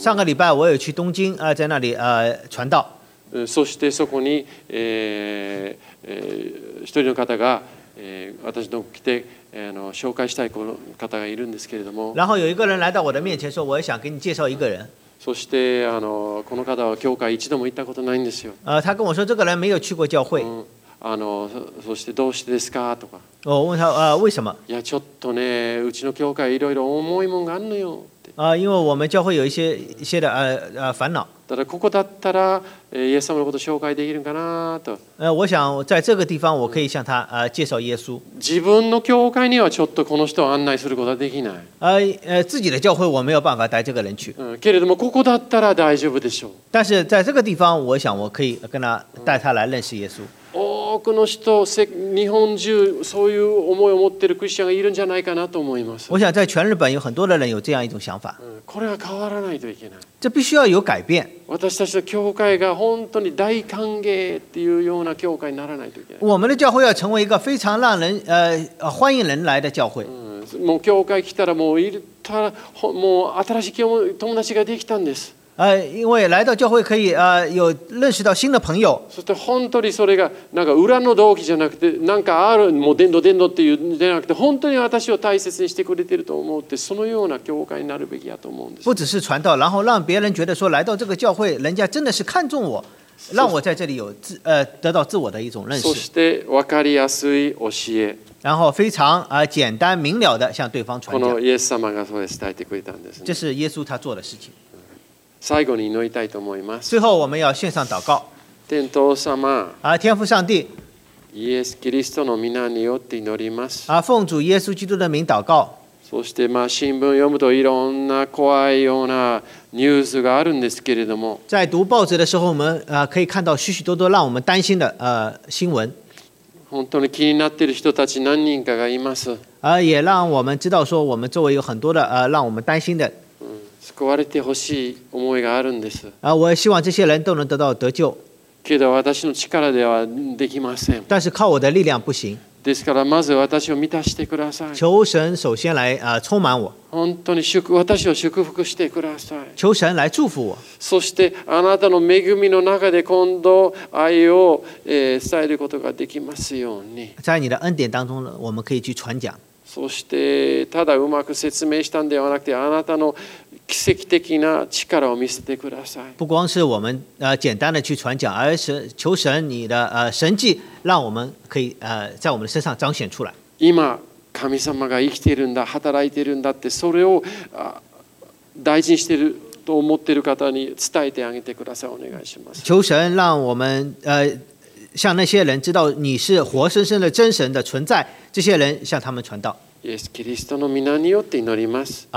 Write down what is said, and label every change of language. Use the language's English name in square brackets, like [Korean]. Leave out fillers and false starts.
[Chinese] 上个礼拜我有去东京在那里传道。 [Japanese] そしてそこに、一人の方が、私の来て、紹介したい方がいるんですけれども、 [Chinese] 然后有一个人来到我的面前说我想给你介绍一个人。 [Japanese] そしてこの方は教会一度も行ったことないんですよ。 [Chinese] 他跟我说这个人没有去过教会。 [Japanese] そしてどうしてですかとか。 [Chinese] 我问他为什么。 [Japanese] いやちょっとねうちの教会いろいろ重いもんがあるのよって。 [Chinese] 因为我们教会有一些的烦恼。 [Japanese] ただここだったらイエス様のこと紹介できるかなと。 [Chinese] 我想在这个地方我可以向他介绍耶稣。 [Japanese] 自分の教会にはちょっとこの人を案内することはできない。 [Chinese] 自己的教会我没有办法带这个人去。 [Japanese] けれどもここだったら大丈夫でしょう。 [Chinese] 但是在这个地方我想我可以跟他带他来认识耶稣。 [Japanese] 多くの人、日本中そういう思いを持っているクリスチャンがいるんじゃないかなと思います。 [Chinese] 我想在全日本有很多的人有这样一种想法。 [Japanese] これは変わらないといけない。 [Chinese] 这必须要有改变。 [Japanese] 私たちの教会が本当に大歓迎っていうような教会にならないといけない。 [Chinese] 我们的教会要成为一个非常让人欢迎人来的教会。 [Japanese] もう教会来たらもう新しい友達ができたんです。 [Chinese] 因为来到教会可以有认识到新的朋友。 [Japanese] そして本当にそれがなんか裏の動機じゃなくて、なんかあるもう伝道っていうじゃなくて、本当に私を大切にしてくれてると思って、そのような教会になるべきやと思うんです。 [Chinese] 不只是传道，然后让别人觉得说来到这个教会，人家真的是看重我，让我在这里有得到自我的一种认识。 [Japanese] そして分かりやすい教え。 [Chinese] 然后非常简单明了的向对方传讲。 [Japanese] このイエス様がそれ伝えてくれたんですね。 [Chinese] 这是耶稣他做的事情。 [Japanese] 最後に祈りたいと思います。 [Chinese] 最後我们要献上祷告。 [Japanese] 天父様。 [Chinese] 天父上帝。 [Japanese] イエス・キリストの皆によって祈ります。 [Chinese] 奉主耶稣基督的名祷告。 [Japanese] そして新聞読むといろんな怖いようなニュースがあるんですけれども。 [Chinese] 在读报纸的时候，我们可以看到许许多多让我们担心的新闻。 [Japanese] 本当に気になっている人たち何人かがいます。 [Chinese] 也让我们知道说我们周围有很多的让我们担心的。 [Japanese] 救われてほしい思いがあるんです。 [Chinese] 啊，我希望这些人都能得到得救。 [Japanese] けど私の力ではできません。 [Chinese] 但是靠我的力量不行。 [Japanese] ですからまず私を満たしてください。 [Chinese] 求神首先来啊充满我。 [Japanese] 本当に私を祝福してください。 [Chinese] 求神来祝福我。 [Japanese] そしてあなたの恵みの中で今度愛を伝えることができますように。 [Chinese] 在你的恩典当中呢，我们可以去传讲。 [Japanese] そしてただうまく説明したんではなくて、あなたの奇跡的な力を見せてください。 [Chinese] 不光是我们简单的去传讲，而是求神你的神迹，让我们可以在我们的身上彰显出来。 [Japanese] 今神様が生きているんだ、働いているんだって、それを大事にしていると思っている方に伝えてあげてください。お願いします。 [Chinese] 求神让我们向那些人知道你是活生生的真神的存在，这些人向他们传道。 [Japanese] イエス・キリストの名によって祈ります。